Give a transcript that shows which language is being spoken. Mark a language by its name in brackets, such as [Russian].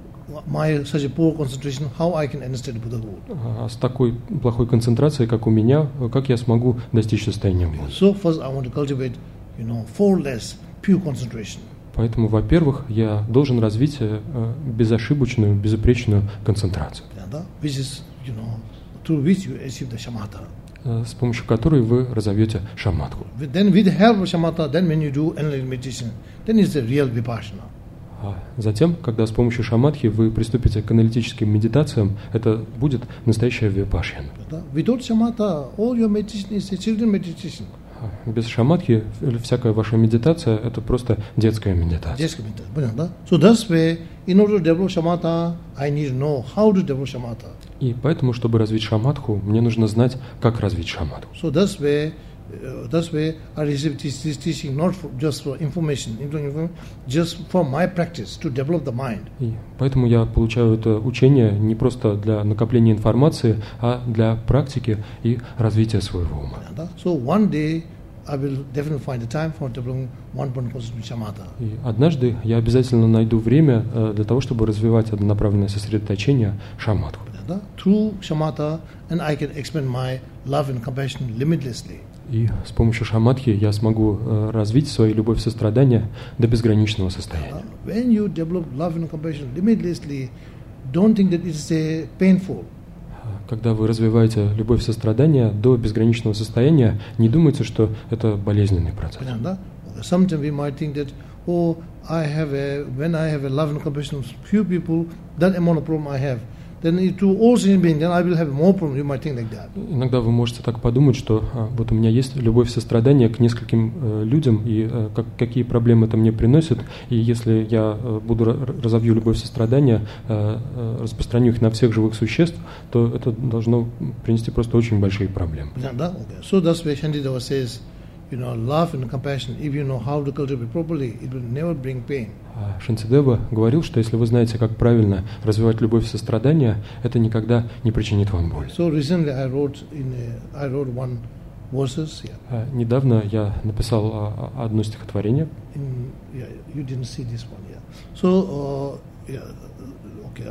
[English] Such a poor concentration, how I can understand the Buddhahood? [Russian] С такой плохой концентрацией, как у меня, как я смогу достичь состояния Будды? [English] So first, I want to cultivate, you know, faultless pure concentration. [Russian] Поэтому, во-первых, я должен развить безошибочную, безупречную концентрацию. [English] Yeah, which is, you know, through which you achieve the shamatha. [Russian] С помощью которой вы разовьете шаматху. [English] Then with the help of shamatha, then when you do analytic meditation, then it's a real vipassana. [Russian] Затем, когда с помощью шамадхи вы приступите к аналитическим медитациям, это будет настоящая випашьяна. [English] Without shamatha, all your meditation is a children's meditation. [Russian] Без шамадхи всякая ваша медитация – это просто детская медитация. Детская медитация, понятно, да? [English] So that's why, in order to develop shamatha, I need to know how to develop shamatha. [Russian] И поэтому, чтобы развить шамадху, мне нужно знать, как развить шамадху. [English] So that's why… I receive this teaching not for, just for information, just for my practice to develop the mind. [Russian] И поэтому я получаю это учение не просто для накопления информации, а для практики и развития своего ума. [English] So one day I will definitely find the time for developing one point concentration shamatha. [Russian] И однажды я обязательно найду время для того, чтобы развивать однонаправленное сосредоточение шамадху. [English] Through shamatha, and I can expand my love and compassion limitlessly. [Russian] И с помощью шамадхи я смогу развить свою любовь сострадания до безграничного состояния. [English] When you develop love and compassion limitlessly, don't think that it's painful. [Russian] Когда вы развиваете любовь сострадания до безграничного состояния, не думайте, что это болезненный процесс. [English] Sometimes we might think that, oh, I have a, when I have a love and compassion for few people, that amount of problem I have. Then to all sentient beings, then I will have more problems. You might think like that. [Russian] Иногда вы можете так подумать, что вот у меня есть любовь сострадания к нескольким людям, и какие проблемы это мне приносит, и если я буду разовью любовь сострадания, распространю их на всех живых существ, то это должно принести просто очень большие проблемы. Да, okay. [English] So that's why Shantideva says, you know, love and compassion. If you know how to cultivate properly, it will never bring pain. [Russian] Шантидева говорил, что если вы знаете, как правильно развивать любовь и сострадание, это никогда не причинит вам боль. [English] So recently I wrote one verses. Yeah. [Russian] Недавно я написал одно стихотворение. [English] You didn't see this one, yeah. So, yeah, okay.